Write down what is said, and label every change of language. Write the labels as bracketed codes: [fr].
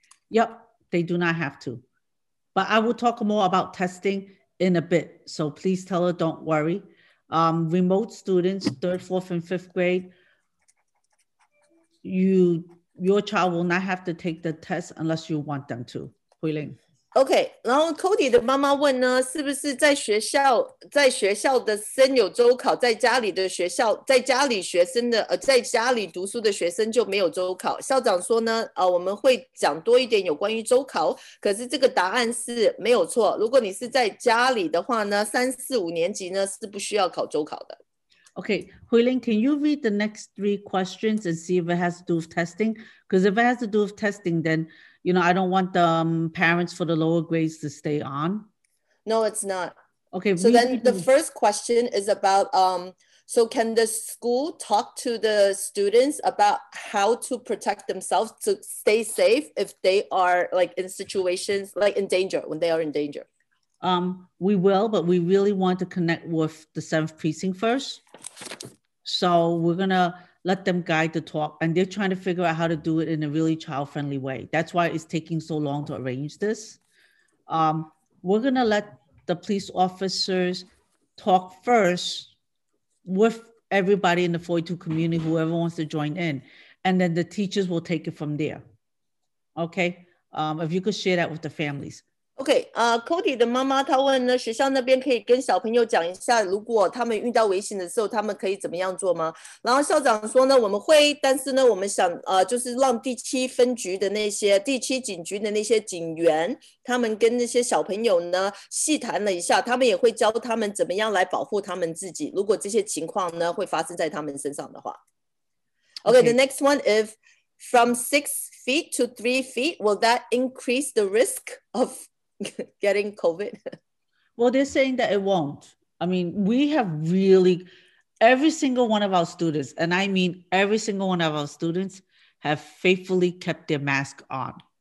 [en] Yep, they do not have to. But I will talk more about testing in a bit. So please tell her, don't worry. Remote students, third, fourth, and fifth grade, your child will not have to take the test unless you want them to. Huiling. [zh] OK, 然后 Cody 的妈妈问呢，是不是在学校的生有周考，在家里的学校，在家里学生的在家里读书的学生就没有周考？校长说呢，我们会讲多一点有关于周考，可是这个答案是没有错。如果你是在家里的话呢，三四五年级呢是不需要考周考的。 [en] OK, Huiling, can you read the next three questions and see if it has to do with testing? Because if it has to do with testing, then... You know, I don't want the parents for the lower grades to stay on. No, it's not. Okay. So then the first question is about, so can the school talk to the students about how to protect themselves to stay safe if they are like in situations, like in danger, when they are in danger? We will, but we really want to connect with the 7th precinct first. So we're going to... let them guide the talk. And they're trying to figure out how to do it in a really child-friendly way. That's why it's taking so long to arrange this. We're gonna let the police officers talk first with everybody in the 42 community, whoever wants to join in. And then the teachers will take it from there. Okay, if you could share that with the families. [zh] OK, Cody 的妈妈她问呢，学校那边可以跟小朋友讲一下，如果他们遇到危险的时候，他们可以怎么样做吗？然后校长说呢，我们会，但是呢，我们想就是让第七分局的那些第七警局的那些警员，他们跟那些小朋友呢细谈了一下，他们也会教他们怎么样来保护他们自己，如果这些情况呢会发生在他们身上的话。 [en] OK, the next one is from 6 feet to 3 feet, will that increase the risk of? getting COVID? Well, they're saying that it won't. I mean, we have really, every single one of our students, and I mean every single one of our students, have faithfully kept their mask on.